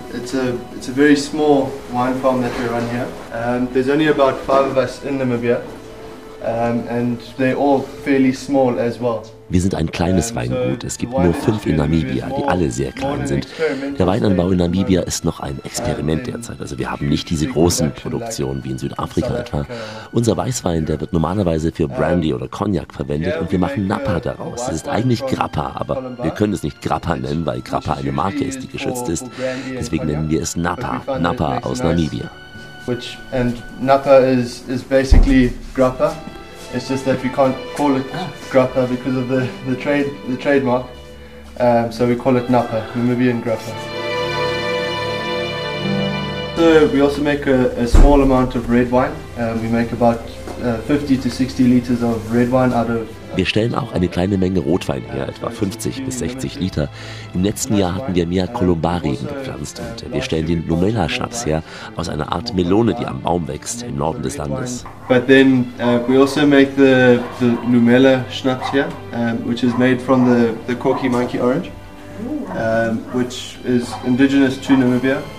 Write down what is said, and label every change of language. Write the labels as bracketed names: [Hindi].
[English] It's a very small wine farm that we run here. There's only about 5 of us in Namibia, and they're all fairly small as well. [German] Wir sind ein kleines Weingut. Es gibt nur 5 in Namibia, die alle sehr klein sind. Der Weinanbau in Namibia ist noch ein Experiment derzeit. Also wir haben nicht diese großen Produktionen wie in Südafrika etwa. Unser Weißwein, der wird normalerweise für Brandy oder Cognac verwendet, und wir machen Napa daraus. Es ist eigentlich Grappa, aber wir können es nicht Grappa nennen, weil Grappa eine Marke ist, die geschützt ist. Deswegen nennen wir es Napa. Napa aus Namibia. [English] And Napa is basically Grappa. It's just that we can't call it Grappa because of the trademark. So we call it Napa, Namibian Grappa. So we also make a small amount of red wine. We make about 50 to 60 liters of red wine out of. [German] Wir stellen auch eine kleine Menge Rotwein her, etwa 50 bis 60 Liter. Im letzten Jahr hatten wir mehr Kolumbarien gepflanzt, und wir stellen den Lumela-Schnaps her, aus einer Art Melone, die am Baum wächst im Norden des Landes. [English] But then we also make the Lumela-Schnaps here, which is made from the Corky Monkey Orange, which is indigenous to Namibia.